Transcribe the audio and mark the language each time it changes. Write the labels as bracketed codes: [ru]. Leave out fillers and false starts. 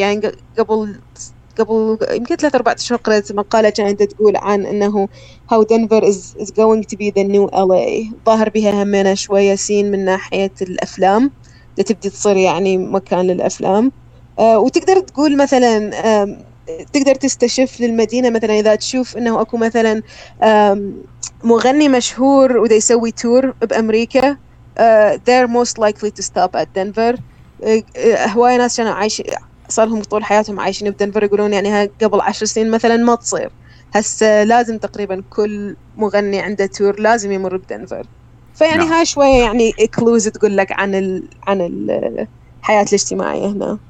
[ar] يعني قبل يمكن 3-4 أشهر قرأت مقالة كانت تقول عن أنه [en] how Denver is going to be the new LA, [ar] ظاهر بها همينة شوية سين من ناحية الأفلام تبدي تصير يعني مكان للأفلام, وتقدر تقول مثلا تقدر تستشف للمدينة مثلا إذا تشوف أنه أكو مثلا مغني مشهور وده يسوي تور بأمريكا [en] they're most likely to stop at Denver. [ar] هواي ناس كانوا عايشين صار لهم طول حياتهم عايشين بدنفر يقولون يعني قبل 10 سنين مثلا ما تصير، هسه لازم تقريبا كل مغني عنده تور لازم يمر بدنفر. فيعني هاي شوية يعني كلوز تقول لك عن الحياة الاجتماعية هنا.